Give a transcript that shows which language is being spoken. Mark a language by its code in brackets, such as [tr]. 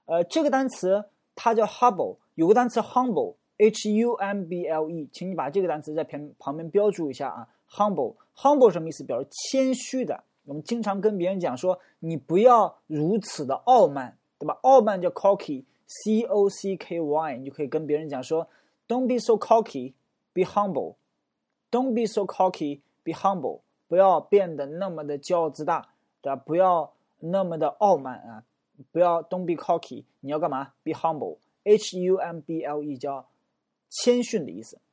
[zh] 这个单词它叫 Hubble， 有个单词 Humble H-U-M-B-L-E， 请你把这个单词在旁边标注一下啊。 Humble 什么意思？表示谦虚的。我们经常跟别人讲说你不要如此的傲慢，对吧？傲慢叫 cocky， C-O-C-K-Y， 你就可以跟别人讲说 [en] Don't be so cocky, be humble. Don't be so cocky, be humble. [zh] 不要变得那么的骄傲自大，对吧？不要那么的傲慢啊，不要 [en] Don't be cocky， [zh] 你要干嘛？ [en] Be humble， [zh] H-U-M-B-L-E 叫谦逊的意思。